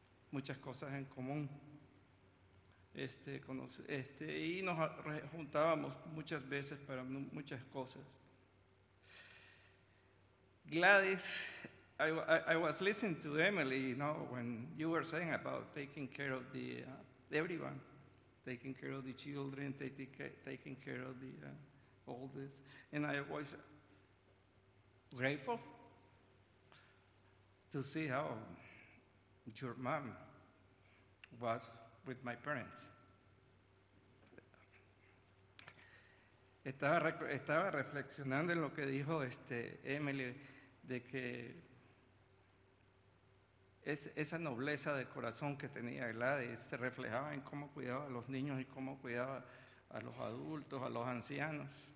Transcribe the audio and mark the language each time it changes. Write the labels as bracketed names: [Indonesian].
[Spanish] Muchas cosas en común. Y nos juntábamos muchas veces para muchas cosas. [English] Gladys, I was listening to Emily, you know, when you were saying about taking care of the everyone, taking care of the children, taking care of the all this, and I was grateful to see how your mom was with my parents. [Spanish] Estaba reflexionando en lo que dijo Emily, de que esa nobleza de corazón que tenía Gladys se reflejaba en cómo cuidaba a los niños y cómo cuidaba a los adultos, a los ancianos.